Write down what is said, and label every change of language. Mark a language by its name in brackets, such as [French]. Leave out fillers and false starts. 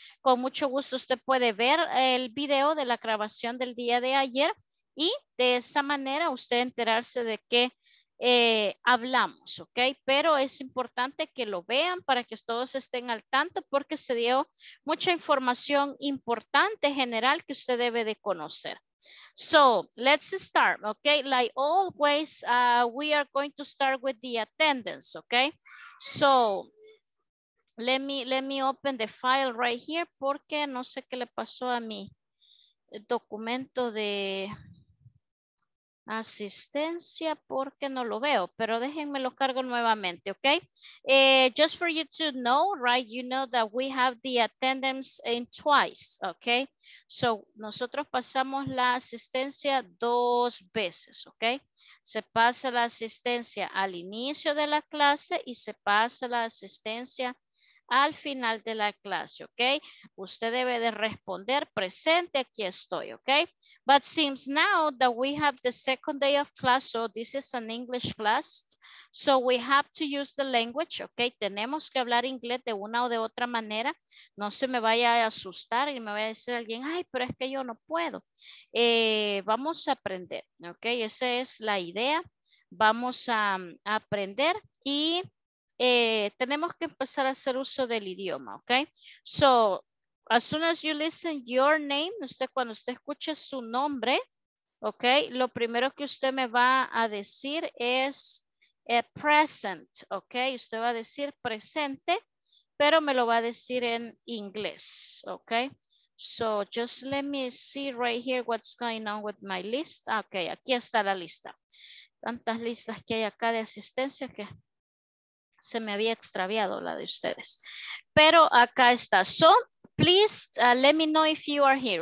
[Spanish] Con mucho gusto usted puede ver el video de la grabación del día de ayer y de esa manera usted enterarse de qué hablamos, ¿ok? Pero es importante que lo vean para que todos estén al tanto porque se dio mucha información importante general que usted debe de conocer. [English] So, let's start, ¿ok? Like always, we are going to start with the attendance, ¿ok? So, Let me open the file right here [Spanish] porque no sé qué le pasó a mi documento de asistencia porque no lo veo, pero déjenme lo cargo nuevamente, ¿ok? [English] Just for you to know, right, you know that we have the attendance in twice, ¿ok? [Spanish] So, nosotros pasamos la asistencia dos veces, ¿ok? Se pasa la asistencia al inicio de la clase y se pasa la asistencia al final de la clase, ¿ok? Usted debe de responder presente, aquí estoy, ¿ok? [English] But seems now that we have the second day of class, so this is an English class, so we have to use the language, ¿ok? [Spanish] Tenemos que hablar inglés de una o de otra manera. No se me vaya a asustar y me vaya a decir alguien, ay, pero es que yo no puedo. Vamos a aprender, ¿ok? Esa es la idea. Vamos a aprender y tenemos que empezar a hacer uso del idioma, ¿ok? [English] So, as soon as you listen your name, [Spanish] usted, cuando usted escuche su nombre, [English] ¿ok? [Spanish] Lo primero que usted me va a decir es present, ¿ok? Usted va a decir presente, pero me lo va a decir en inglés, ¿ok? [English] So, just let me see right here what's going on with my list. [Spanish] Ok, aquí está la lista. Tantas listas que hay acá de asistencia que se me había extraviado la de ustedes. Pero acá está. [English] So, please let me know if you are here.